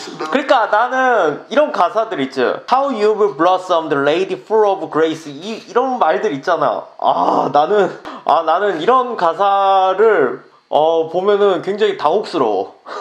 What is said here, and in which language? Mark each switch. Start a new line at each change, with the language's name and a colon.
Korean: 그러니까 나는 이런 가사들 있죠.
English: How you blossom the lady full of grace.
Korean: 이런 말들 있잖아. 나는 이런 가사를 보면은 굉장히 당혹스러워.